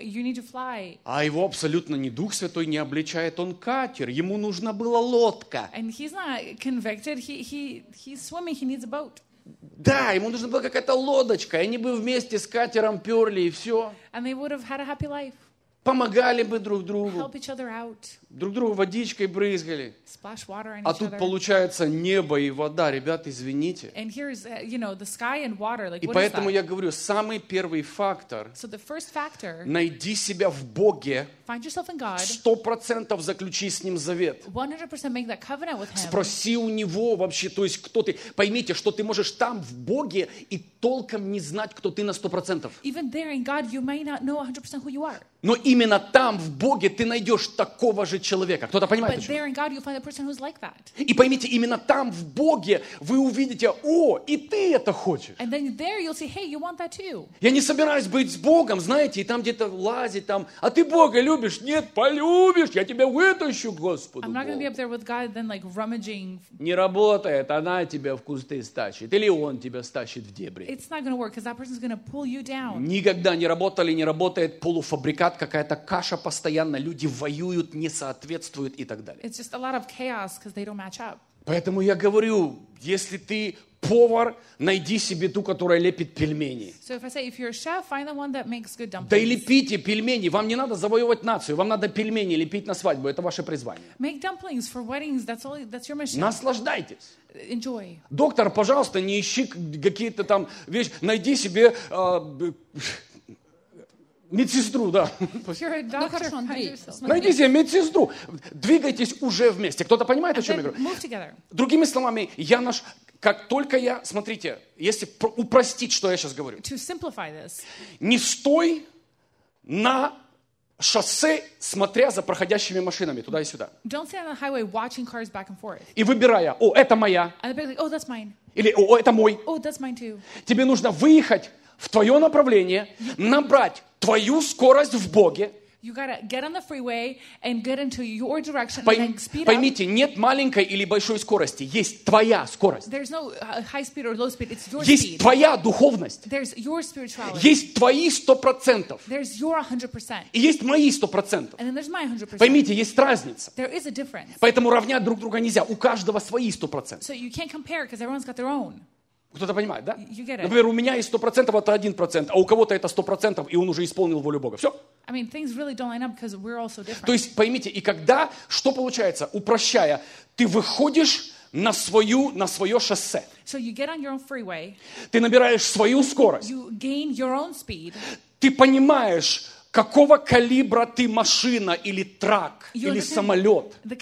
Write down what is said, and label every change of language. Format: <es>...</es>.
<en>You need to fly.</en> <ru>А его абсолютно ни Дух Святой не обличает, он катер, ему нужна была лодка.</ru> <en>And he's not convicted, he's swimming, he needs a boat.</en> <ru>Да, ему нужна была какая-то лодочка, и они бы вместе с катером пёрли, и всё.</ru> <en>And they would have had a happy life.</en> <ru>Помогали бы друг другу.</ru> <en>Help each other out.</en> <ru>Друг другу водичкой брызгали.</ru> <en>Splash water on each other.</en> <ru>Получается небо и вода. Ребят, извините.</ru> <en>And here's, you know, the sky and water. Like,</en> <ru>и поэтому я говорю, самый первый фактор.</ru> <en>So the first factor,</en> <ru>найди себя в Боге.</ru> <en>Find yourself in God.</en> <ru>100% заключи с Ним завет.</ru> <en>100% make that covenant with Him.</en> <ru>Спроси у Него вообще, то есть кто ты. Поймите, что ты можешь там в Боге и толком не знать, кто ты на 100%.</ru> <en>Even there in God, you may not know 100% who you are.</en> <ru>Но именно там, в Боге, ты найдешь такого же человека. Кто-то понимает, о чем?</ru> <en>Like,</en> <ru>и поймите, именно там, в Боге, вы увидите, о, и ты это хочешь.</ru> <en>Say, hey,</en> <ru>я не собираюсь быть с Богом, знаете, и там где-то лазить, там, а ты Бога любишь? Нет, полюбишь, я тебя вытащу, Господу.</ru> <en>God, then, like, rummaging...</en> <ru>Не работает, она тебя в кусты стащит, или он тебя стащит в дебри.</ru> <en>Work,</en> <ru>никогда не работали, не работает полуфабрикация. Какая-то каша постоянно, люди воюют, не соответствуют и так далее.</ru> <en>It's just a lot of chaos because they don't match up.</en> <ru>Поэтому я говорю, если ты повар, найди себе ту, которая лепит пельмени.</ru> <en>So if I say, if you're a chef, find the one that makes good dumplings.</en> <ru>Да и лепите пельмени. Вам не надо завоевывать нацию. Вам надо пельмени лепить на свадьбу. Это ваше призвание.</ru> <en>Make dumplings for weddings. That's your mission.</en> <ru>Наслаждайтесь.</ru> <en>Enjoy.</en> <ru>Доктор, пожалуйста, не ищи какие-то там вещи. Найди себе... медсестру, да. Доктор, ну хорошо, Андрей. Найди себе медсестру. Двигайтесь уже вместе. Кто-то понимает, о чем я говорю? Другими словами, я наш... Как только я... Смотрите, если упростить, что я сейчас говорю.</ru> <en>To simplify this.</en> <ru>Не стой на шоссе, смотря за проходящими машинами туда и сюда.</ru> <en>Don't stand on the highway watching cars back and forth.</en> <ru>И выбирая, о, это моя.</ru> <en>And they're like, oh, that's mine.</en> <ru>Или, о, это мой.</ru> <en>Oh, that's mine too.</en> <ru>Тебе нужно выехать в твое направление, набрать твою скорость в Боге.</ru> <en>You gotta get on the freeway and get into your direction and speed up.</en> <ru>Поймите, нет маленькой или большой скорости, есть твоя скорость.</ru> <en>There's no high speed or low speed. It's your</en> <ru>есть</ru> <en>speed.</en> <ru>Твоя духовность.</ru> <en>There's your spirituality.</en> <ru>Есть твои 100%.</ru> <en>There's your 100%.</en> <ru>И есть мои 100%.</ru> <en>And then there's my 100%.</en> <ru>Поймите, есть разница.</ru> <en>There is a difference.</en> <ru>Поэтому равнять друг друга нельзя. У каждого свои 100%.</ru> <en>So you can't compare because everyone's got their own.</en> <ru>Кто-то понимает, да? Например, у меня есть 100%, а это 1%, а у кого-то это 100%, и он уже исполнил волю Бога. Все.</ru> <en>I mean, things really don't line up because we're all so different.</en> <ru>То есть, поймите, и когда, что получается, упрощая, ты выходишь на свою, на свое шоссе.</ru> <en>So you get on your own freeway,</en> <ru>ты набираешь свою скорость.</ru> <en>You gain your own speed,</en> <ru>ты понимаешь, какого калибра ты машина или трак или самолет?</ru>